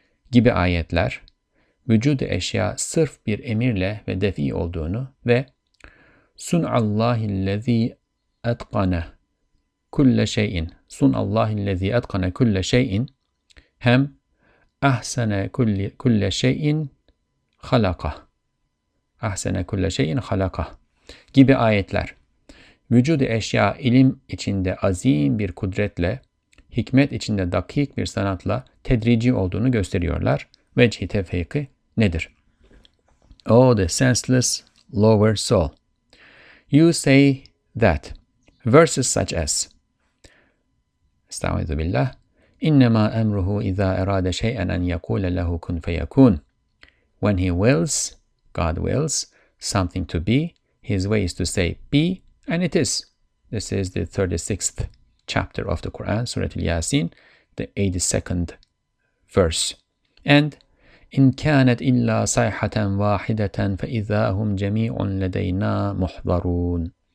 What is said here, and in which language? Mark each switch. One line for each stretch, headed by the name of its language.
Turkish: Gibi ayetler, vücud-ı eşya sırf bir emirle ve defi olduğunu ve
Arabic: sun'allâhillezî etkane kulle şey'in
Turkish: hem,
Arabic: أحسن كل شيء خلقه أحسن كل شيء خلقه
Turkish: gibi ayetler. Vücud-ı eşya ilim içinde azim bir kudretle, hikmet içinde dakik bir sanatla tedrici olduğunu gösteriyorlar. Vecih-i tevfiki nedir?
English: Oh, the senseless lower soul. You say that verses such as Estaizu billah.
Arabic: إِنَّمَا أَمْرُهُ إِذَا أَرَادَ شَيْئًا أَنْ يَقُولَ لَهُ كُنْ فَيَكُونَ.
English: When he wills, God wills, something to be, his way is to say be, and it is. This is the 36th chapter of the Quran, Surah Al-Yasin, the 82nd verse.
Arabic: And إِنْ كَانَتْ إِلَّا صَيْحَةً وَاحِدَةً فَإِذَا هُمْ جَمِيعٌ لَدَيْنَا مُحْضَرُونَ.